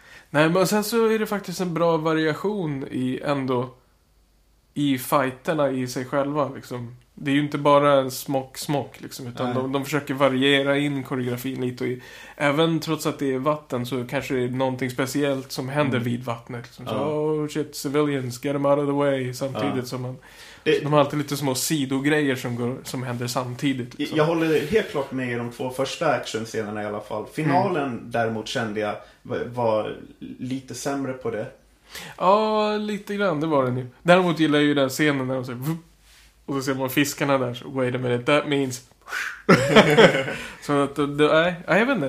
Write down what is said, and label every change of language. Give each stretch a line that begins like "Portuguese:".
Swedish: Nej, men sen så är det faktiskt en bra variation i ändå i fighterna i sig själva. Liksom. Det är ju inte bara en smock, liksom, utan de försöker variera in koreografin lite. Och även trots att det är vatten så kanske det är någonting speciellt som händer vid vattnet. Liksom.
English: Så, civilians, get them out of the way.
Swedish: Samtidigt som man... De har alltid lite små sidogrejer som händer samtidigt. Liksom. Jag håller helt klart med i de två första actionscenerna i alla fall. Finalen däremot kände jag var lite sämre på det. Ja, lite grann, det var det nu. Däremot gillar jag ju den scenen när de säger vup, och så ser man fiskarna där, så
English: wait a minute, that means
Swedish: så att det är, jag vet inte.